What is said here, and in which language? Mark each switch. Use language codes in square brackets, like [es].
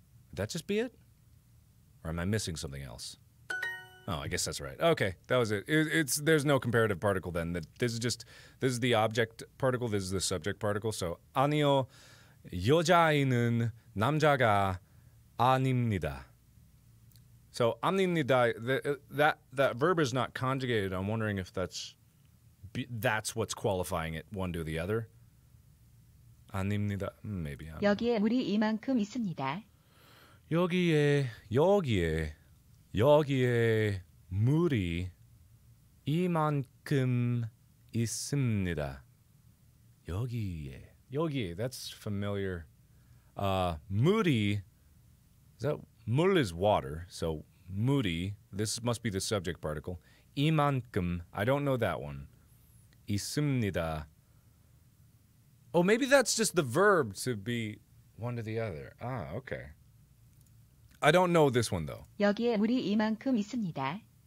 [en] Would that just be it? Or am I missing something else? Oh, I guess that's right. Okay, that was it. It's there's no comparative particle then. This is the object particle. This is the subject particle. So [ko] 아니요, 여자아이는 남자가 아닙니다. [en] So [ko] 아닙니다. [en] That verb is not conjugated. I'm wondering if that's what's qualifying it one to the other. [ko] 아닙니다. [en] Maybe. [ko] 여기에 물이 이만큼 있습니다. 여기에 물이 이만큼 있습니다. 여기에. [en] That's familiar. [ko] 물이. [en] Is that 물 is water. So 물이. This must be the subject particle. 이만큼. I don't know that one. [ko] 있습니다. [en] Oh, maybe that's just the verb to be one to the other. Ah, okay. I don't know this one, though. [ko] 여기에 물이 이만큼 있습니다.